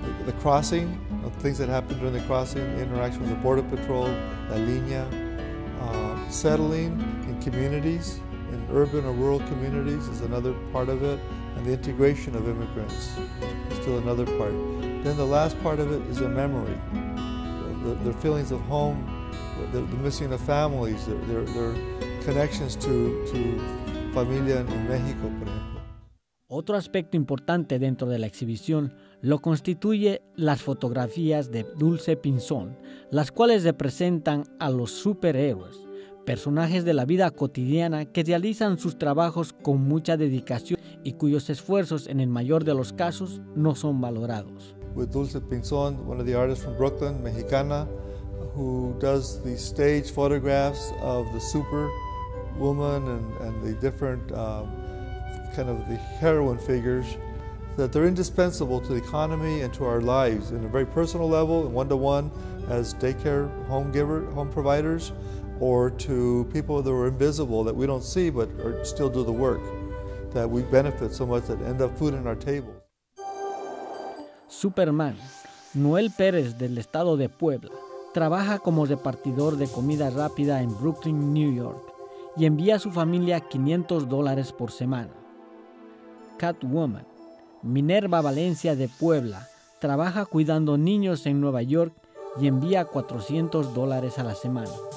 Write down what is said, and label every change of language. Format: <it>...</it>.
<en>the crossing, things that happen during the crossing, the interaction with the Border Patrol, La Línea, settling in communities, in urban or rural communities is another part of it, and the integration of immigrants is still another part. Then the last part of it is a memory, their feelings of home, the missing of families, their connections to familia in Mexico,</en> <es>por ejemplo. Otro aspecto importante dentro de la exhibición lo constituye las fotografías de Dulce Pinzón, las cuales representan a los superhéroes, personajes de la vida cotidiana que realizan sus trabajos con mucha dedicación y cuyos esfuerzos en el mayor de los casos no son valorados.</es> <en>With Dulce Pinzón, one of the artists from Brooklyn, Mexicana, who does the stage photographs of the superwoman and the different kind of the heroine figures, that they're indispensable to the economy and to our lives in a very personal level, one-to-one as daycare home providers, or to people that are invisible that we don't see but are still do the work that we benefit so much that end up food in our table.</en> <es>Superman, Noel Pérez del estado de Puebla, trabaja como repartidor de comida rápida en Brooklyn, New York, y envía a su familia $500 por semana. Catwoman, Minerva Valencia de Puebla, trabaja cuidando niños en Nueva York y envía $400 a la semana.</es>